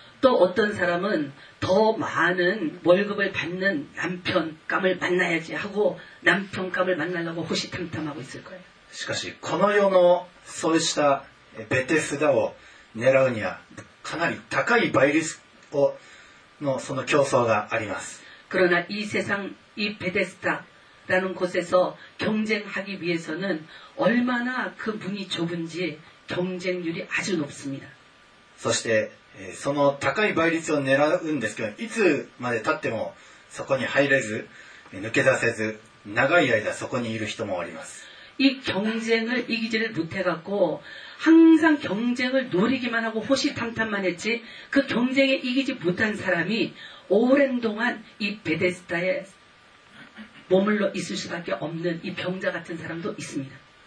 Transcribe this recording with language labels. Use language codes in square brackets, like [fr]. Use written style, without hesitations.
[ko] 또어떤사람은더많은월급을받는남편감을만나야지하고남편감을만나려고호시탐탐하고있을거예요。 [ja] しかし、この世のそうしたベテスダを狙うにはかなり高い倍率をのその競争があります。 [ko] 그러나이세상이베테스다라는곳에서경쟁하기위해서는얼마나그문이좁은지경쟁률이아주높습니다 [ja] そしてその高い倍率を狙うんですけどいつまで経ってもそこに入れず抜け出せず長い間そこにいる人もおります [ko] 이경쟁을이기지를못해갖고항상경쟁을노리기만하고호시탐탐만했지그경쟁에이기지못한사람이오랜동안이베데스다에머물러있을수밖에없는이병자같은사람도있습니다